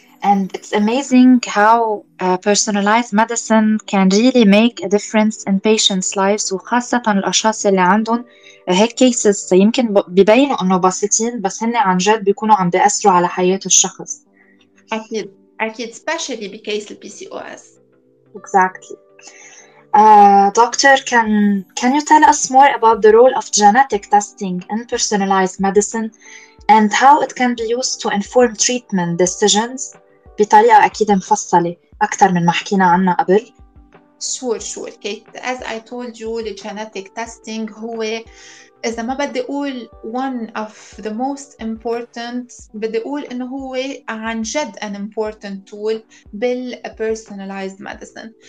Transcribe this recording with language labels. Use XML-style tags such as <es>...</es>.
<en>And it's amazing how personalized medicine can really make a difference in patients' lives.</en> <ar>وخاصة الأشخاص اللي عندهم هيك cases يمكن بيبينوا أنه بسيطين بس هن عن جد بيكونوا عم بيأثروا على حياة الشخص. أكيد. أكيد.</ar> <en>Especially because of PCOS. Exactly. Doctor, can you tell us more about the role of genetic testing in personalized medicine and how it can be used to inform treatment decisions?</en> <ar>بطريقة أكيد مفصلة أكثر من ما حكينا عنها قبل.</ar> <en>Sure. Kate, as I told you, the genetic testing</en> <ar>هو إذا ما بدي أقول</ar> <en>one of the most important,</en> <ar>بدي أقول إنه هو عن جد</ar> <en>an important tool بال personalized medicine.</en>